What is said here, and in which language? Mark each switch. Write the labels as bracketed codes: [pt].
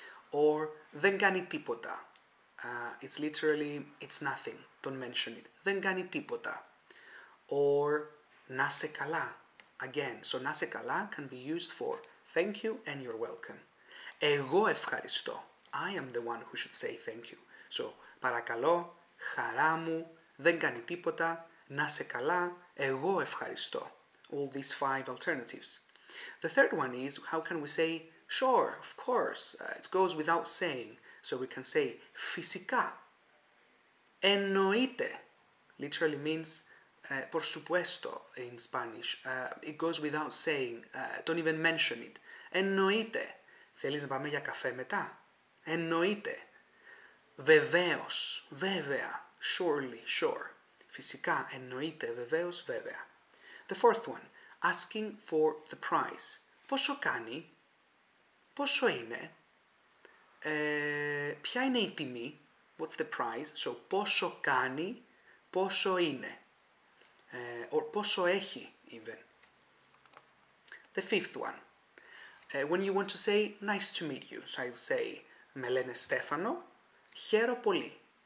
[en] Or, [el] δεν κάνει τίποτα. [en] It's literally, it's nothing. Don't mention it. [el] Δεν κάνει τίποτα. [en] Or, [el] να είσαι καλά. [en] Again, so [el] να είσαι καλά [en] can be used for thank you and you're welcome. [el] Εγώ ευχαριστώ. [en] I am the one who should say thank you. [el] So, παρακαλώ, χαρά μου, δεν κάνει τίποτα, να σε καλά, εγώ ευχαριστώ. [en] All these five alternatives. The third one is, how can we say, sure, of course, it goes without saying. So we can say, [el] φυσικά, εννοείται, [en] literally means, [es] por supuesto [en] in Spanish. It goes without saying, don't even mention it. [el] Εννοείται. Θέλεις να πάμε για καφέ μετά. Εννοείται. Βεβαίως. Βέβαια. [en] Surely. Sure. [el] Φυσικά. Εννοείται. Βεβαίως. Βέβαια. [en] The fourth one. Asking for the price. [el] Πόσο κάνει. Πόσο είναι. Ποια είναι η τιμή. [en] What's the price. [el] So, πόσο κάνει. Πόσο είναι. [en] Or [el] πόσο έχει [en] even. The fifth one. When you want to say, nice to meet you. So I'd say, [el] με λένε Στέφανο, χαίρω πολύ.